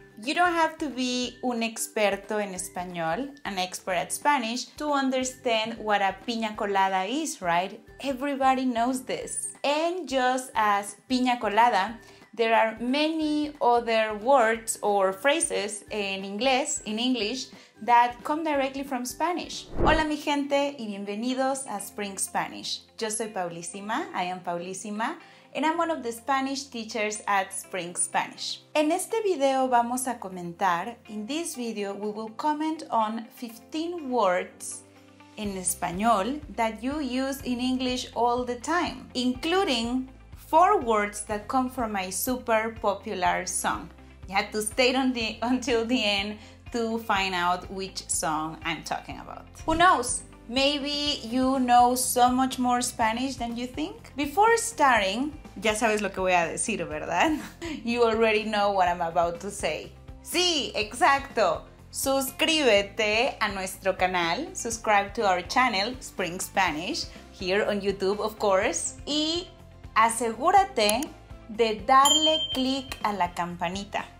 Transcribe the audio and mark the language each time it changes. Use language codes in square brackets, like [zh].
[en] You don't have to be [es] un experto en español, [en] an expert at Spanish, to understand what a piña colada is, right? Everybody knows this. And just as piña colada, there are many other words or phrases in English, that come directly from Spanish. [es] Hola mi gente y bienvenidos a Spring Spanish. Yo soy Paulísima, [en] I am Paulísima, and I'm one of the Spanish teachers at Spring Spanish. [es] En este video vamos a comentar, [en] in this video we will comment on 15 words in español that you use in English all the time, including 4 words that come from my super popular song. You have to stay until the end to find out which song I'm talking about. Who knows? Maybe you know so much more Spanish than you think? Before starting, [es] ya sabes lo que voy a decir, ¿verdad? [en] You already know what I'm about to say. [es] Sí, exacto. Suscríbete a nuestro canal. [en] Subscribe to our channel, Spring Spanish, here on YouTube, of course. [es] Y asegúrate de darle click a la campanita.